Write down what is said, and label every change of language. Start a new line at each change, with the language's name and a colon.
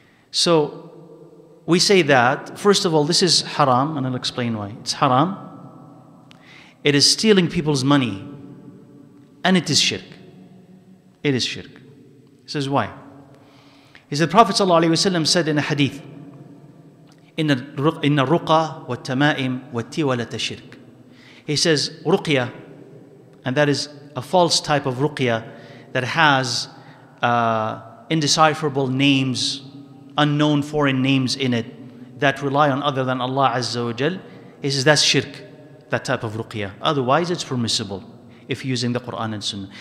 English: So we say that, first of all, this is haram, and I'll explain why. It's haram. It is stealing people's money. And it is shirk. It is shirk. He says, why? He said, Prophet ﷺ said in a hadith,
Arabic: إن الرقى والتمائم والتيولة الشرك.
English: He says رقية, and that is a false type of رقية that has indecipherable names, unknown foreign names in it that rely on other than Allah Azza wa Jal. He says that's shirk, that type of ruqya. Otherwise, it's permissible if using the Quran and Sunnah.